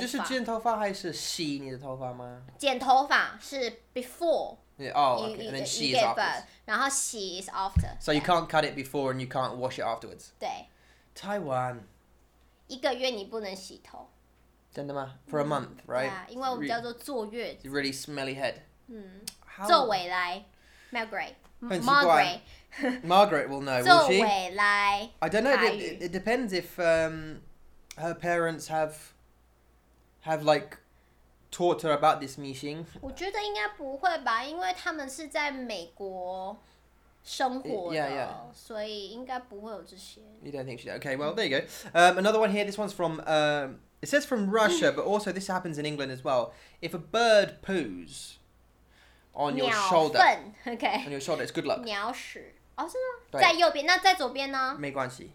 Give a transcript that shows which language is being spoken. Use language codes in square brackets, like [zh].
[zh] 就是剪头发还是洗你的头发吗? 剪头发, 是 [en] before. Yeah, oh, okay, and then she is after. [zh] 然后洗 [en] is after. So you can't cut it before and you can't wash it afterwards? [zh] 对。 [en] Taiwan. [zh] 一个月你不能洗头. 真的吗? [en] For a month, right? Yeah, [zh] 因为我们叫做坐月子。 [en] Really smelly head. [zh] 作为来, Margaret. 很奇怪。 [en] Margaret will know, will she? I don't know. It depends if her parents have like taught her about this meeting. [zh] 我觉得应该不会吧，因为他们是在美国生活的， [en] yeah, yeah. [zh] 所以应该不会有这些。 [en] You don't think she did? Okay, well, there you go. Another one here. This one's from it says from Russia, but also this happens in England as well. If a bird poos on your shoulder, okay, on your shoulder, it's good luck. [zh] 鸟屎哦，是吗？在右边，那在左边呢？没关系，